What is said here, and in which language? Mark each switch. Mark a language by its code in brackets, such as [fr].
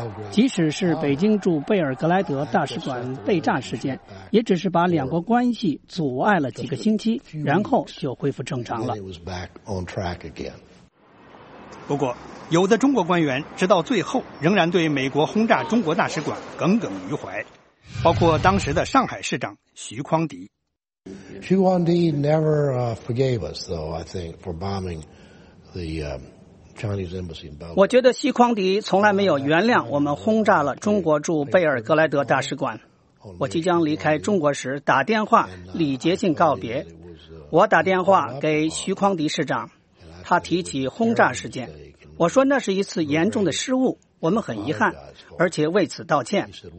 [zh] 即使是北京驻贝尔格莱德大使馆被炸事件，也只是把两国关系阻碍了几个星期，然后就恢复正常了。不过有的中国官员直到最后仍然对美国轰炸中国大使馆耿耿于怀，包括当时的上海市长徐匡迪。 [en] 徐匡迪 never forgave us, though, I think, for bombing the Chinese embassy in Belgrade. [zh] 我觉得徐匡迪从来没有原谅我们轰炸了中国驻贝尔格莱德大使馆。我即将离开中国时打电话礼节性告别，我打电话给徐匡迪市长，他提起轰炸事件，我说那是一次严重的失误，我们很遗憾，而且为此道歉。